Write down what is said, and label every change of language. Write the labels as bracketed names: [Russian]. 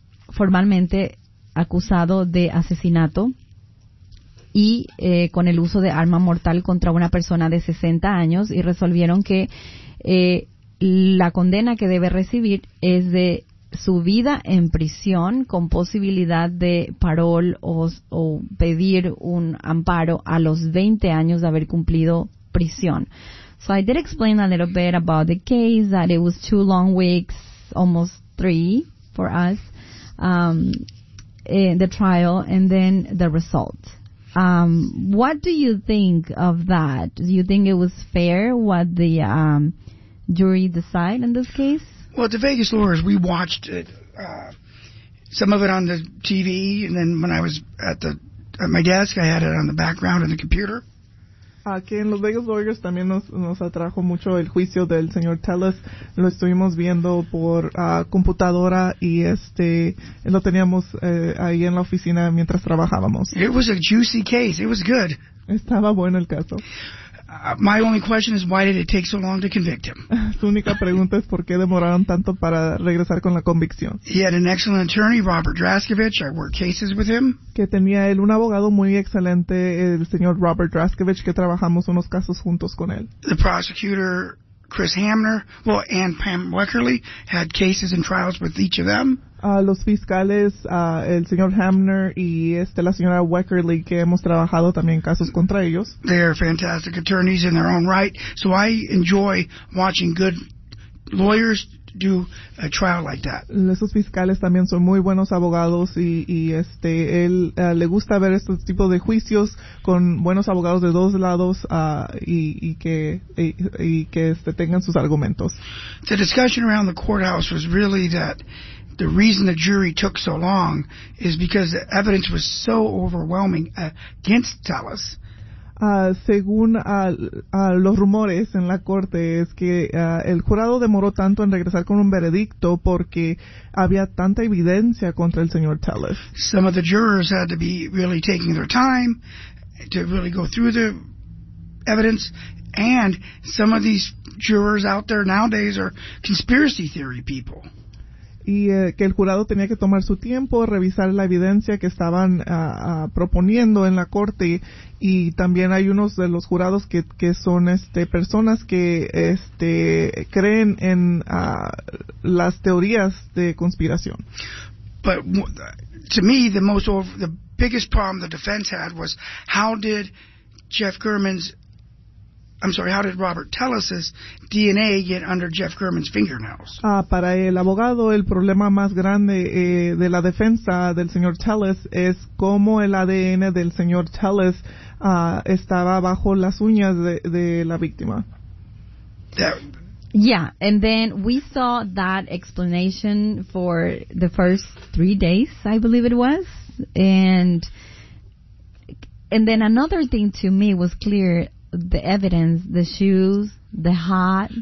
[Spanish] formalmente acusado de asesinato y con el uso de arma mortal contra una persona de 60 años, y resolvieron que la condena que debe recibir es de su vida en prisión con posibilidad de parol o pedir un amparo a los 20 años de haber cumplido prisión. [English] So I did explain a little bit about the case, that it was 2 long weeks, almost 3 for us, the trial, and then the result. What do you think of that? Do you think it was fair what the jury decide in this case? Well, the Vegas lawyers, we watched it, some of it on the TV, and then when I was at my desk, I had it on the background in the computer. [Spanish] Aquí en los Vegas lawyers también nos atrajo mucho el juicio del señor Telles. Lo estuvimos viendo por computadora y lo teníamos ahí en la oficina mientras trabajábamos. [English] It was a juicy case. It was good. [Spanish] Estaba bueno el caso. [English] My only question is, why did it take so long to convict him? [Spanish] Su única pregunta es por qué demoraron tanto para regresar con la convicción. [English] He had an excellent attorney, Robert Draskovich. I worked cases with him. [Spanish] Que tenía él un abogado muy excelente, el señor Robert Draskovich, que trabajamos unos casos juntos con él. [English] The prosecutor, Chris Hamner, well, and Pam Weckerly, had cases and trials with each of them. [Spanish] Los fiscales, el señor Hamner y la señora Weckerly, que hemos trabajado también casos contra ellos. [English] They are fantastic attorneys in their own right. So I enjoy watching good lawyers do a trial like that. [Spanish] Esos fiscales también son muy buenos abogados y le gusta ver estos tipos de juicios con buenos abogados de dos lados y que tengan sus argumentos. [English] The discussion around the courthouse was really that the reason the jury took so long is because the evidence was so overwhelming against Telles. [Spanish] Según los rumores en la corte, es que el jurado demoró tanto en regresar con un veredicto porque había tanta evidencia contra el señor Telles. [English] Some of the jurors had to be really taking their time to really go through the evidence, and some of these jurors out there nowadays are conspiracy theory people. [Spanish] Y que el jurado tenía que tomar su tiempo, revisar la evidencia que estaban proponiendo en la corte. Y también hay unos de los jurados que son personas que creen en las teorías de conspiración. [English] But to me, the biggest problem the defense had was how did Robert Telles' DNA get under Jeff Gurman's fingernails? [Spanish] Para el abogado, el problema más grande de la defensa del señor Telles es cómo el ADN del señor Telles estaba bajo las uñas de la víctima. [English] That, Yeah, and then we saw that explanation for the first 3 days, I believe it was. And then another thing to me was clear, the evidence, the shoes, the hat.